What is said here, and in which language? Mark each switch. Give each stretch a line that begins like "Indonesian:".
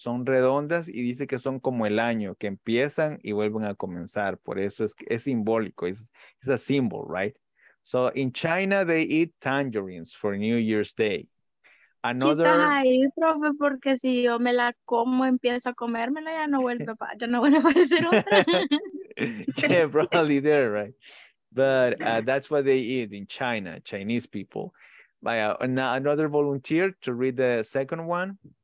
Spanish: Son redondas y dice que son como el año, que empiezan y vuelven a comenzar. Por eso es simbólico.
English: It's a symbol, right? So, in China, they eat tangerines for New Year's Day. Another...
Spanish: Quizás ahí, profe, porque si yo me la como, empiezo a comérmela, ya no vuelve a aparecer otra.
English: Yeah, probably there, right? But that's what they eat in China, Chinese people. By another volunteer to read the second one.